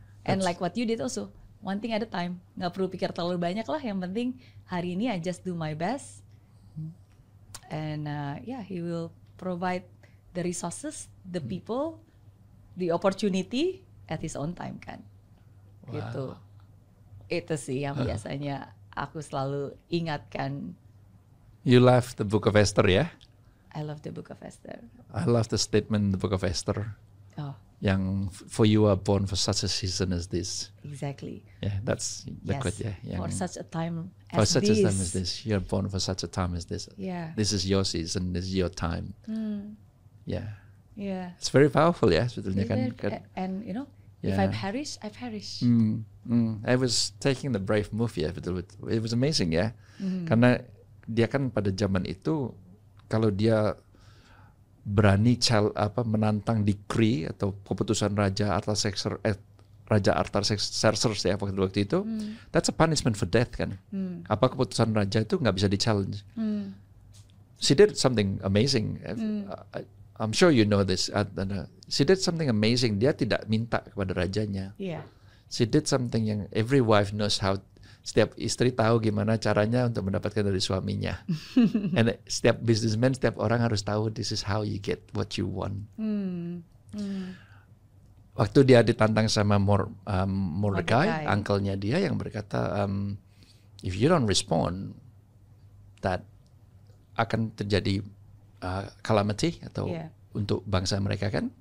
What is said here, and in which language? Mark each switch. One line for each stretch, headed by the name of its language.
English: And like what you did also, one thing at a time.
Indonesian: Nggak perlu pikir terlalu banyak lah. Yang penting hari ini
English: I just do my best. And yeah, he will provide the resources, the people, the opportunity at his own time kan. Wow. Gitu.
Indonesian: Itu sih yang biasanya aku selalu ingatkan.
English: You love the Book of Esther, ya? Yeah? I love the Book of Esther. I love the statement in the Book of Esther. Oh. Yang for you are born for such a season as this. Exactly. Yeah, that's the quote. Yeah. Yang, for such a time as this. For such a time as this. You're born for such a time as this. Yeah. This is your season. This is your time. Mm. Yeah. Yeah. It's very powerful, yeah.
Indonesian: Sebetulnya kan.
English: And you know, yeah. If I perish, I perish. Mm. Mm. I was taking the brave move, yeah. It was amazing, yeah. Mm.
Indonesian: Karena dia kan pada zaman itu, kalau dia berani menantang decree atau keputusan raja Artaxerxes ya waktu itu,
English: that's a punishment for death
Indonesian: kan. Mm. Apa keputusan raja itu nggak bisa di challenge. Mm.
English: She did something amazing. I'm sure you know this. She did something amazing.
Indonesian: Dia tidak minta kepada rajanya.
English: Yeah. She did something yang every wife knows how.
Indonesian: Setiap istri tahu gimana caranya untuk mendapatkan dari suaminya.
English: And setiap businessman,
Indonesian: setiap orang harus tahu
English: this is how you get what you want. Mm. Mm.
Indonesian: Waktu dia ditantang sama Mordecai, uncle-nya dia yang berkata,
English: if you don't respond,
Indonesian: that akan terjadi calamity atau untuk bangsa mereka kan.